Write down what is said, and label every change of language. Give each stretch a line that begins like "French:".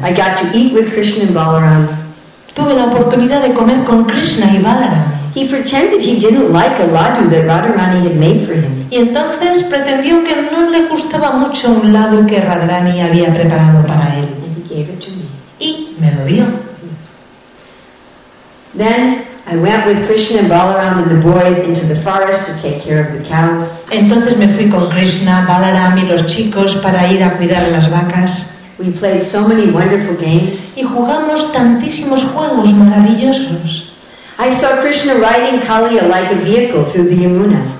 English: I got to eat with Krishna and Balaram.
Spanish: Tuve la oportunidad de comer con Krishna y Balaram.
English: He pretended he didn't like a ladu that Radharani had made for him.
Spanish: Y entonces pretendió que no le gustaba mucho un ladu que Radharani había preparado para él.
English: And he gave it to me.
Spanish: Y me lo dio.
English: Then I went with Krishna and Balaram and the boys into the forest to take care of the cows.
Spanish: Entonces me fui con Krishna, Balaram y los chicos para ir a cuidar las vacas.
English: We played so many wonderful games.
Spanish: Y jugamos tantísimos juegos maravillosos.
English: I saw Krishna riding Kaliya like a vehicle through the Yamuna.